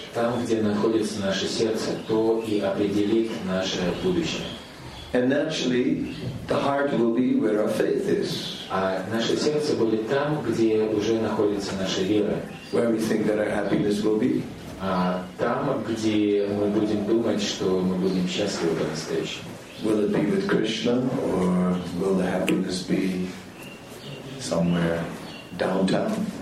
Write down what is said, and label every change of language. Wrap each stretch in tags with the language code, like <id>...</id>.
<ru>Там, где находится наше сердце, то и определит наше будущее.</ru> <en>And naturally, the heart will be where our faith is.</en> <ru>А наше сердце будет там, где уже находится наша вера.</ru> <en>Where we think that our happiness will be.</en> <ru>А там, где мы будем думать, что мы будем счастливы по-настоящему.</ru> <en>Will it be with Krishna, or will the happiness be somewhere downtown?</en>